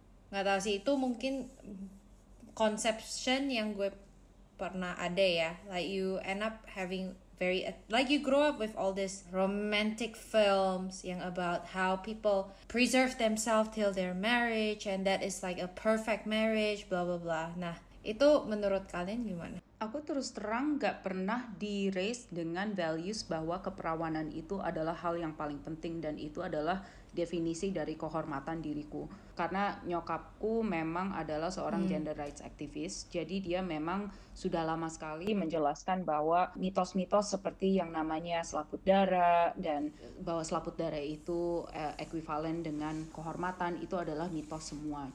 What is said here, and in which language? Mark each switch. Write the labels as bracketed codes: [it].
[id] Nggak tahu sih, itu mungkin conception yang gue pernah ada ya. [en] Like you end up having very, like you grow up with all these romantic films [id] yang [en] about how people preserve themselves till their marriage and that is like a perfect marriage, blah blah blah. [id] Nah, itu menurut kalian gimana? Aku terus terang gak pernah di-raise dengan values bahwa keperawanan itu adalah hal yang paling penting dan itu adalah definisi dari kehormatan diriku. Karena nyokapku memang adalah seorang gender rights activist, jadi dia memang sudah lama sekali menjelaskan bahwa mitos-mitos seperti yang namanya selaput dara dan bahwa selaput dara itu equivalent dengan kehormatan itu adalah mitos semua.